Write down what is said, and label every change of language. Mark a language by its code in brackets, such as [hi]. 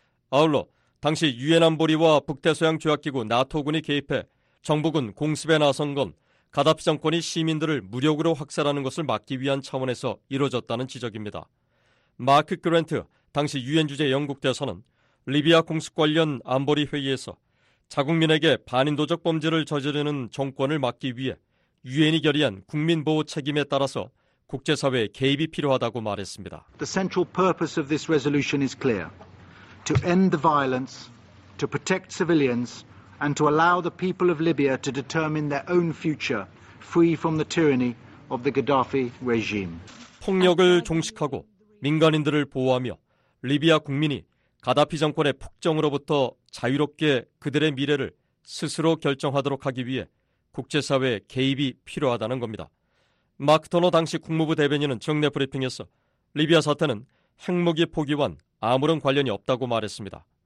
[ko] 아울러 당시 유엔 안보리와 북대서양 조약기구 나토군이 개입해 정부군 공습에 나선 건 가다피 정권이 시민들을 무력으로 학살하는 것을 막기 위한 차원에서 이뤄졌다는 지적입니다. 마크 그랜트 당시 유엔 주재 영국 대사는 리비아 공습 관련 안보리 회의에서 자국민에게 반인도적 범죄를 저지르는 정권을 막기 위해 유엔이 결의한 국민 보호 책임에 따라서 국제사회의 개입이 필요하다고 말했습니다. [en] The central purpose of this resolution is clear. To end the violence, to protect civilians, and to allow the people of Libya to determine their own future free from the tyranny of the Gaddafi regime. [ko] 폭력을 종식하고 민간인들을 보호하며 리비아 국민이 가다피 정권의 폭정으로부터 자유롭게 그들의 미래를 스스로 결정하도록 하기 위해 국제사회의 개입이 필요하다는 겁니다. 마크 토너 당시 국무부 대변인은 정례 브리핑에서 리비아 사태는 핵무기 포기와는 아무런 관련이 없다고 말했습니다.